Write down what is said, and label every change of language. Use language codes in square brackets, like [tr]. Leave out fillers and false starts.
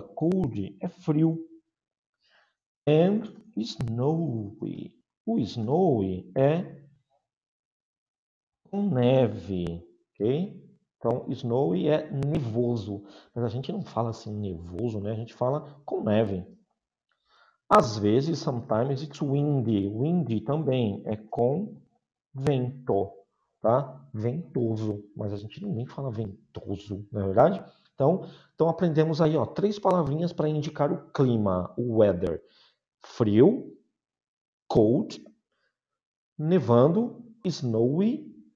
[pt] Cold é frio. And snowy. O snowy é com neve, ok? Então, snowy é nevoso. Mas a gente não fala assim nevoso, né? A gente fala com neve. Às vezes, [en] sometimes it's windy. [pt] Windy também é com vento, tá? Ventoso. Mas a gente nem fala ventoso, não é verdade? Então, aprendemos aí, ó, três palavrinhas para indicar o clima, o weather: frio, cold, nevando, snowy.